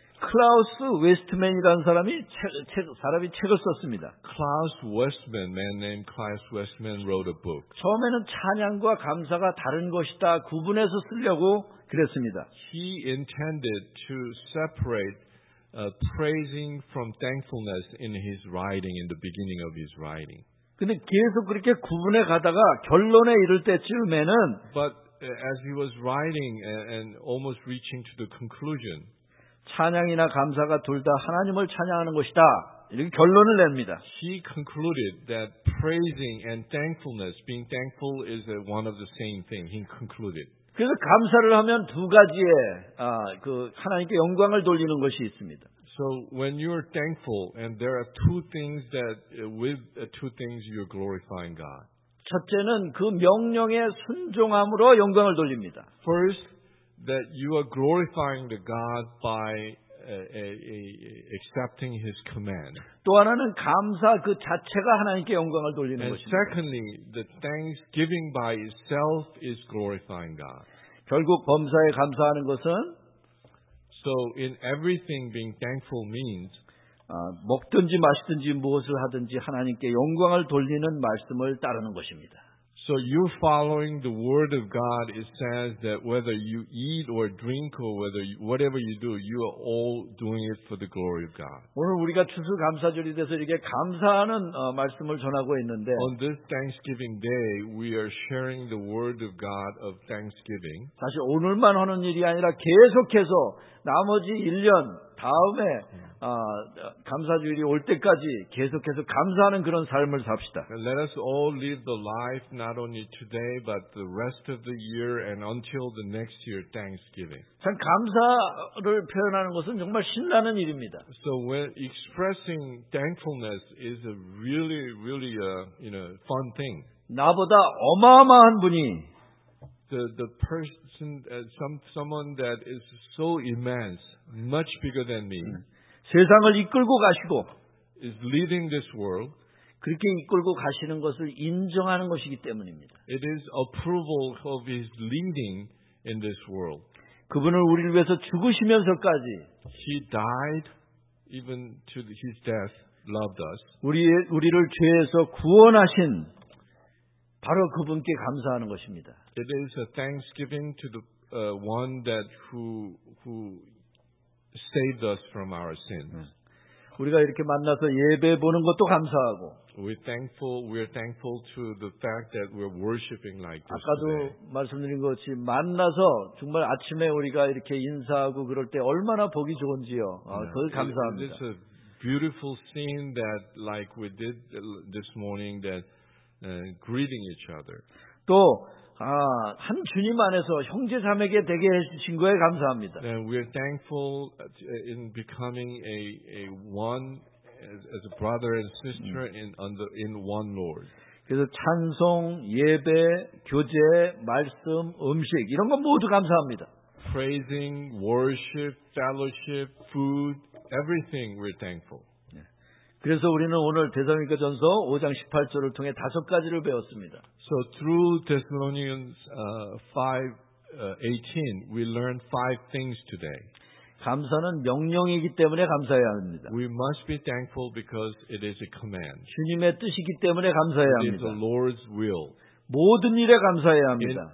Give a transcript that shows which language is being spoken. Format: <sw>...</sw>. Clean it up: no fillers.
<ko>클라우스 웨스트맨이라는 사람이 책을 썼습니다.</ko> <en>Klaus Westman, man named Klaus Westman, wrote a book.</en> <ko>처음에는 찬양과 감사가 다른 것이다 구분해서 쓰려고 그랬습니다.</ko> <en>He intended to separate praising from thankfulness in his writing, in the beginning of his writing.</en> <ko>근데 계속 그렇게 구분해 가다가 결론에 이를 때쯤에는</ko> <en>But as he was writing and almost reaching to the conclusion,</en> <ko>찬양이나 감사가 둘 다 하나님을 찬양하는 것이다. 이렇게 결론을 냅니다.</ko> <en>He concluded that praising and thankfulness, being thankful is one of the same thing. He concluded.</en> <ko>그래서 감사를 하면 두 가지의 그 하나님께 영광을 돌리는 것이 있습니다.</ko> <en>So when you are thankful and there are two things that with two things you are glorifying God.</en> <ko>첫째는 그 명령에 순종함으로 영광을 돌립니다.</ko> <en>First, that you are glorifying the God by accepting His command.</en> <ko>또 하나는 감사 그 자체가 하나님께 영광을 돌리는 것입니다.</ko> <en>And secondly, the thanksgiving by itself is glorifying God.</en> <ko>결국 범사에 감사하는 것은</ko> <en>So in everything, being thankful means</en> <ko>먹든지 마시든지 무엇을 하든지 하나님께 영광을 돌리는 말씀을 따르는 것입니다.</ko> <en>So you're following the word of God. It says that whether you eat or drink or whether you, whatever you do, you are all doing it for the glory of God.</en> <ko>오늘 우리가 추수감사절이 돼서 이렇게 감사하는 말씀을 전하고 있는데</ko> <en>On this Thanksgiving day, we are sharing the word of God of thanksgiving.</en> <ko>사실 오늘만 하는 일이 아니라 계속해서 나머지 1년 다음에 감사주일이 올 때까지 계속해서 감사하는 그런 삶을 삽시다.</ko> <en>Let us all live the life not only today but the rest of the year and until the next year Thanksgiving.</en> <ko>참 감사를 표현하는 것은 정말 신나는 일입니다.</ko> <en>So when expressing thankfulness is a really really you know fun thing.</en> <ko>나보다 어마어마한 분이</ko> <en>the person someone that is so immense much bigger than me.</en> <ko>세상을 이끌고 가시고</ko> <en>is leading this world</en> <ko>그렇게 이끌고 가시는 것을 인정하는 것이기 때문입니다.</ko> <en>It is approval of his leading in this world.</en> <ko>그분을 우리를 위해서 죽으시면서까지</ko> <en>he died even to his death loved us.</en> <ko>우리를 죄에서 구원하신 바로 그분께 감사하는 것입니다.</ko> <en>It is a thanksgiving to the one that who saved us from our sins.</en> <ko>우리가 이렇게 만나서 예배 보는 것도 감사하고.</ko> <en>We're thankful to the fact that we're worshiping like this.</en> <ko>아까도 말씀드린 것이 만나서 정말 아침에 우리가 이렇게 인사하고 그럴 때 얼마나 보기 좋은지요. 그걸 감사합니다.</ko> <en>It's a beautiful scene that like we did this morning that greeting each other.</en> <ko>또 한 주님 안에서 형제 자매에게 되게 해주신 거에 감사합니다.</ko> <en>And we are thankful in becoming a one as a brother and sister in one Lord.</en> <ko>그래서 찬송, 예배, 교제, 말씀, 음식 이런 건 모두 감사합니다.</ko> <en>Praising, worship, fellowship, food, everything we're thankful.</en> <ko>그래서 우리는 오늘 데살로니가 전서 5장 18절을 통해 다섯 가지를 배웠습니다.</ko> <en>So through Thessalonians 5:18, we learned five things today.</en> <ko>감사는 명령이기 때문에 감사해야 합니다.</ko> <en>We must be thankful because it is a command.</en> <ko>주님의 뜻이기 때문에 감사해야 합니다.</ko> <en>It is the Lord's will.</en> <ko>모든 일에 감사해야 합니다.</ko>